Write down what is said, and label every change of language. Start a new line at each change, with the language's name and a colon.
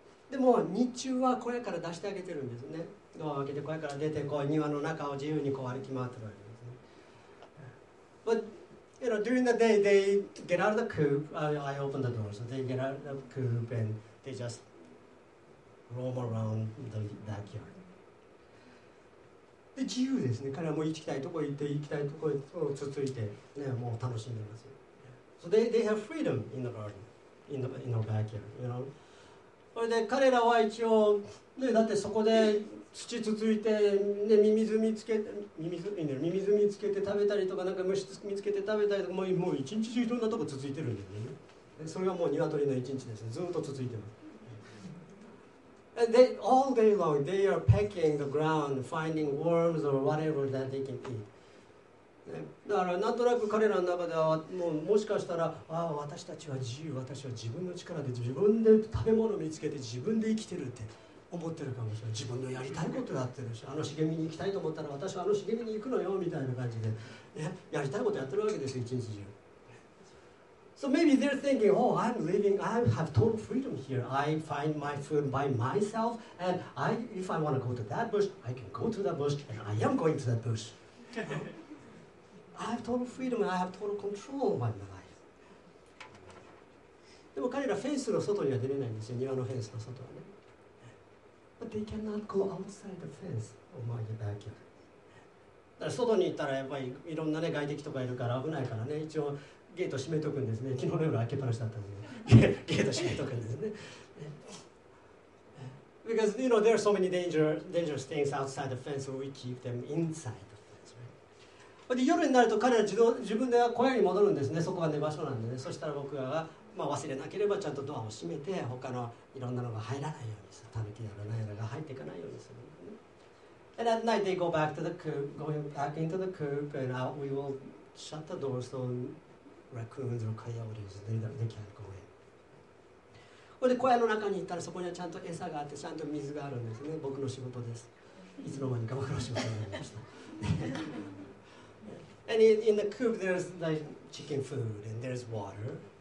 Japanese: でも日中は小屋から出してあげてるんですね。ドアを開けて小屋から出てこう庭の中を自由にこう歩き回ってるわけですね。
English: But you know, during the day they get out of the coop. I open the door, so they get out of the coop and they just roam around the backyard.
Japanese: で自由ですね。彼はもう行きたいとこ行って行きたいとこへつついてね、もう楽しんでますよ。
English: So they have freedom in the garden, in the backyard, you know.
Japanese: それで彼らは一応、ね、だってそこで土つついて、ね、ミミズ見つけて食べたりとか、なんか虫見つけて食べたりとか、もう一日中いろんなとこつついてるんだよね。でそれはもう鶏の一日ですね。ずっとつついてます。
English: And they, all day long, they are pecking the ground, finding worms or whatever that they can eat.
Japanese: だからなんとなく彼らの中では もしかしたら、ああ私たちは自由、私は自分の力で自分で食べ物を見つけて自分で生きてるって思ってるかもしれない。自分のやりたいことやってるし、あの茂みに行きたいと思ったら私はあの茂みに行くのよみたいな感じで、ね、やりたいことやってるわけですよ一日中。
English: So maybe they're thinking, oh, I'm living, I have total freedom here. I find my food by myself and if I want to go to that bush, I can go to that bush and I am going to that bush. I have total freedom and I have total control of my life.
Japanese: でも彼らフェンスの外には出れないんですよ、庭のフェンスの外はね。
English: But they cannot go outside the fence of my backyard.
Japanese: だから外に行ったらやっぱりいろんな、ね、外敵とかいるから危ないからね、一応ゲート閉めとくんですね。昨日の夜開けっぱなしだったんで、ゲート閉めとくんですね。
English: Because, you know, there are so many dangerous things outside the fence, we keep them inside.
Japanese: で夜になると彼ら自分で小屋に戻るんですね。そこが寝場所なんでね。そしたら僕らが、忘れなければちゃんとドアを閉めて、他のいろんなのが入らないようにする。タヌキやら何やらが入っていかないようにする。
English: And at night they go back to the coop, going back into the coop, and out we will shut the door so raccoons or coyotes, they can't go in.
Japanese: で小屋の中に行ったらそこにはちゃんと餌があって、ちゃんと水があるんですね。僕の仕事です。いつの間にか僕の仕事になりました。
English: And in the coop, there's like chicken food and there's water.